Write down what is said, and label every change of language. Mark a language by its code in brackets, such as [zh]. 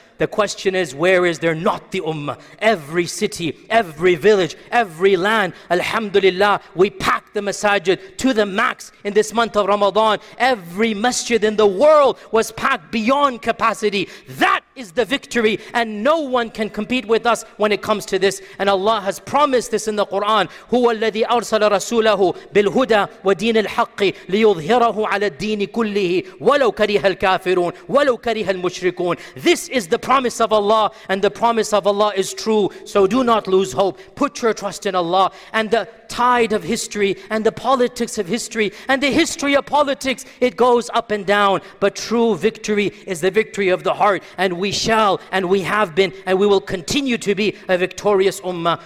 [en] The question is, where is there not the ummah? Every city, every village, every land, alhamdulillah, we packed the masajid to the max in this month of Ramadan. Every masjid in the world was packed beyond capacity. That is the victory, and no one can compete with us when it comes to this. And Allah has promised this in the Quran. [ar] هو الذي أرسل رسوله بالهدى ودين الحق ليظهره على الدين كله ولو كره الكافرون ولو كره المشركون. [en] This is the promise of Allah, and the promise of Allah is true. So do not lose hope. Put your trust in Allah. And the tide of history and the politics of history and the history of politics, it goes up and down. But true victory is the victory of the heart. And we shall, and we have been, and we will continue to be a victorious ummah.